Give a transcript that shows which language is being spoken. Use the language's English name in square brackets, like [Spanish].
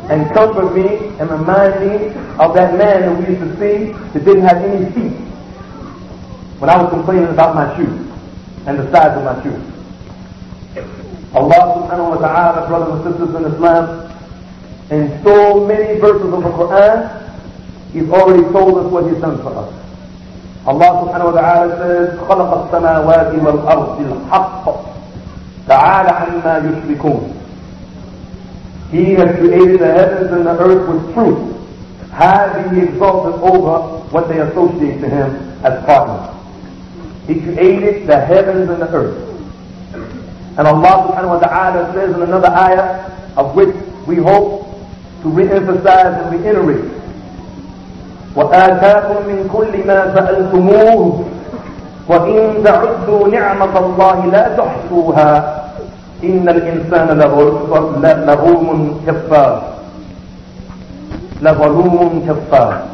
[English] And comfort me and remind me of that man that we used to see that didn't have any feet when I was complaining about my shoes and the size of my shoes. Allah subhanahu wa ta'ala, brothers and sisters in Islam, in so many verses of the Quran, He's already told us what He's done for us. [Arabic] Allah subhanahu wa ta'ala says, خَلَقَ السَّمَاوَاتِ وَالْأَرْضِ الْحَقِّ تَعَالَ عَمَّا يُشْرِكُونَ. [English] He has created the heavens and the earth with truth, highly exalted over what they associate to Him as partners. He created the heavens and the earth. And Allah subhanahu wa ta'ala says in another ayah, of which we hope to re-emphasize and reiterate, [Arabic] وَآتَاكُمْ مِنْ كُلِّ مَا سَأَلْتُمُوهُ وَإِنْ تَعُدُّوا نِعْمَةَ اللَّهِ لَا تُحْصُوهَا إِنَّ الْإِنسَانَ لَظَلُومٌ كَفَّارٌ [English] لَظَلُومٌ كَفَّارٌ.